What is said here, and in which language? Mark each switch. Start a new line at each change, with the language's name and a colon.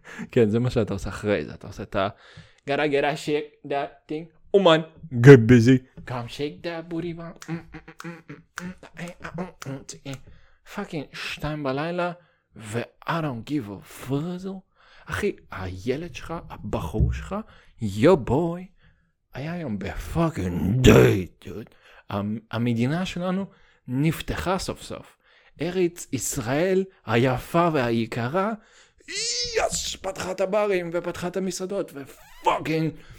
Hebrew: כן, זה מה שאתה עושה אחרי זה. אתה עושה את ה...
English: Gotta get a shake that thing. Oh man, get busy. Come shake that booty bone. Fucking
Hebrew: 2 בלילה,
English: ו-I don't give a fuzzle.
Hebrew: אחי, הילד שלך, הבחור שלך,
English: yo boy,
Hebrew: היה היום ב-
English: fucking date, dude.
Hebrew: המדינה שלנו נפתחה סוף סוף. ארץ ישראל היפה והיקרה, יש, פתחה את הברים ופתחה את המסעדות ופאקינג.